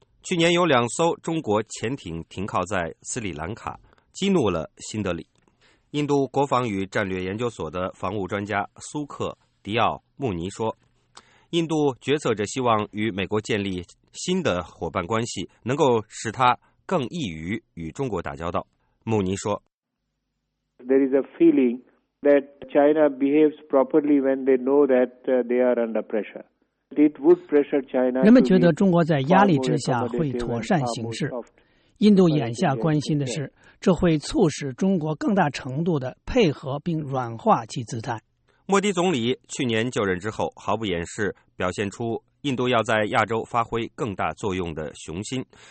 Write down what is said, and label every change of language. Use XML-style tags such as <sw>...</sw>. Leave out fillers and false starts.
<zh>去年有两艘中国潜艇停靠在斯里兰卡，激怒了新德里。印度国防与战略研究所的防务专家苏克·迪奥·穆尼说，印度决策者希望与美国建立新的伙伴关系，能够使他更易于与中国打交道。穆尼说，</zh> <en>There is a feeling that China behaves properly when they know that they are under pressure.</en> <zh>人们觉得中国在压力之下会妥善行事。印度眼下关心的是，这会促使中国更大程度的配合并软化其姿态。莫迪总理去年就任之后，毫不掩饰表现出印度要在亚洲发挥更大作用的雄心。</zh>